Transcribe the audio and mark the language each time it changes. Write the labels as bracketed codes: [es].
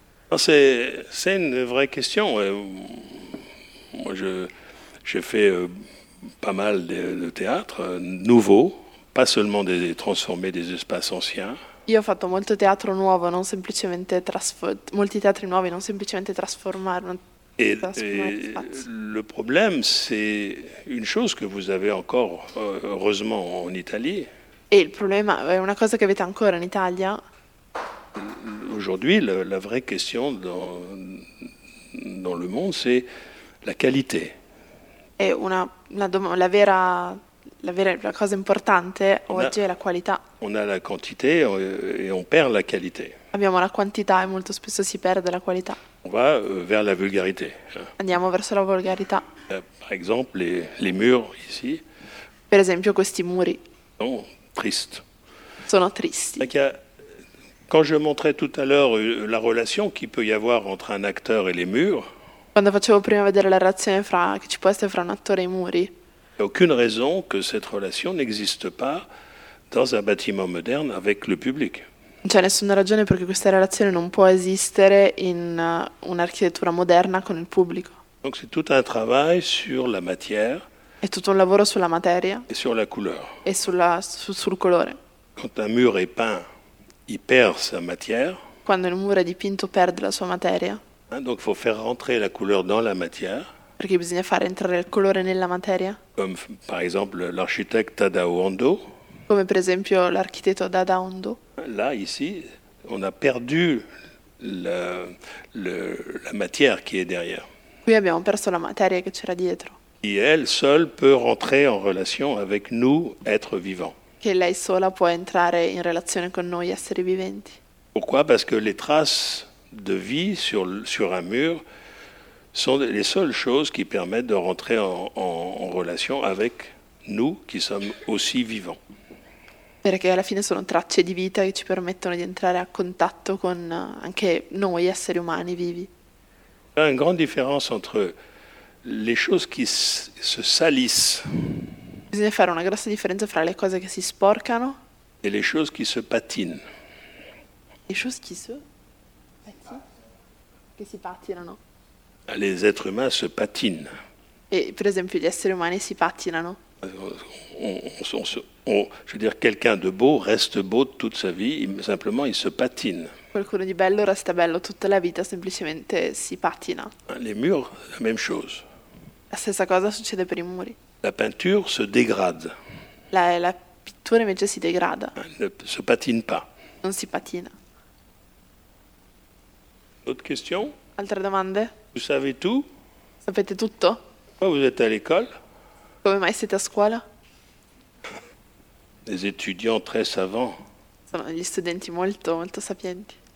[fr] Non, c'est une vraie question. Moi, j'ai fait pas mal de théâtre nouveau. Pas seulement de transformer des espaces anciens. [it] Io ho fatto molto teatro nuovo, non semplicemente molti teatri nuovi, non semplicemente trasformare. [fr] Le problème c'est une chose que vous avez encore heureusement en Italie. [it] E il problema è una cosa che avete ancora in Italia. [fr] Aujourd'hui, la vraie question dans le monde c'est la qualité. [it] È la cosa importante oggi è la qualità. [fr] On a la quantité et on perd la qualité. [it] Abbiamo la quantità e molto spesso si perde la qualità. [fr] On va vers la vulgarité. [it] Andiamo verso la volgarità. [fr] Par exemple, les murs ici. [it] Per esempio, questi muri. Sono tristi. Sono tristi. [fr] Quand je montrais tout à l'heure la relation qu'il peut y avoir entre un acteur et les murs. [it] Quando facevo prima vedere la relazione che ci può essere fra un attore e i muri. [fr] Il n'y a aucune raison que cette relation n'existe pas dans un bâtiment moderne avec le public. [it] C'è nessuna ragione perché questa relazione non può esistere in un'architettura moderna con il pubblico. [fr] Donc c'est tout un travail sur la matière. [it] È tutto un lavoro sulla materia. [fr] Et sur la couleur. [it] E sul colore. [fr] Quand un mur est peint, il perd sa matière. [it] Quando il muro è dipinto perde la sua materia. [fr] Donc il faut faire rentrer la couleur dans la matière. [it] Perché bisogna fare entrare il colore nella materia. [fr] Comme par exemple l'architecte Tadao Ando. [it] Come per esempio l'architetto Dada Ando. [fr] Là, ici, on a perdu la matière qui est derrière. [it] Qui abbiamo perso la materia che c'era dietro. [fr] Et elle seule peut rentrer en relation avec nous, êtres vivants. [it] Che lei sola può entrare in relazione con noi, esseri viventi. [fr] Pourquoi? Parce que les traces de vie sur un mur sont les seules choses qui permettent de rentrer en relation avec nous, qui sommes aussi vivants. [it] Perché alla fine sono tracce di vita che ci permettono di entrare a contatto con anche noi esseri umani vivi. C'è una grande differenza tra le cose che si salissent. Bisogna fare una grossa differenza fra le cose che si sporcano e le cose che si patinent. Le cose che si patinano. [fr] Les êtres humains se patinent. [it] E per esempio gli esseri umani si patinano. [fr] Quelqu'un de beau reste beau toute sa vie, simplement il se patine. [it] Qualcuno di bello resta bello tutta la vita, semplicemente si patina. [fr] Les murs, la même chose. [it] La stessa cosa succede per i muri. [fr] La peinture se dégrade. [it] La pittura invece si degrada. [fr] Ne se patine pas. [it] Non si patina. [fr] Autre question? [it] Altre domande? [fr] Vous savez tout? [it] Sapete tutto? [fr] Pourquoi vous êtes à l'école? [it] Come mai siete a scuola? [fr] Des étudiants très savants. [it] Sono gli studenti molto, molto sapienti.